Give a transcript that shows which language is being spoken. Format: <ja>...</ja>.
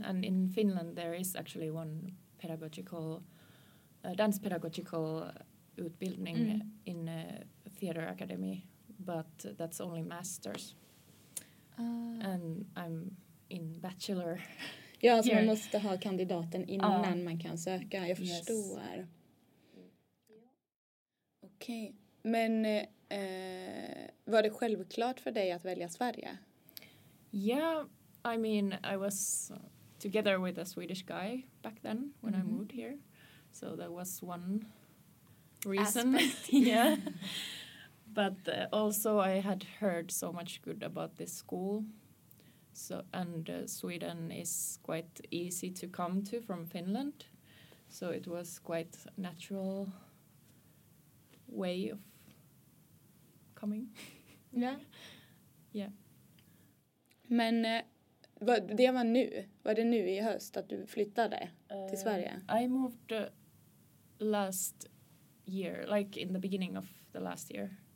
<en>And in Finland there is actually one pedagogical dance pedagogical utbildning in a theater academy, but that's only masters. And I'm in bachelor.</en> <sv>Ja, alltså man måste ha kandidaten innan man kan söka. Jag förstår.</sv> <en>Yes.</en> <sv>Okej. Men var det självklart för dig att välja Sverige?</sv> <en>Yeah, I mean, I was together with a Swedish guy back then when I moved here. So that was one reason. Yeah. But also I had heard so much good about this school. So, and Sweden is quite easy to come to from Finland. So it was quite natural way of coming. Yeah. Yeah.</en> <sv>Men det var nu? Var det nu i höst att du flyttade till Sverige?</sv> <en>I moved last year, like in the beginning of the last year.</en>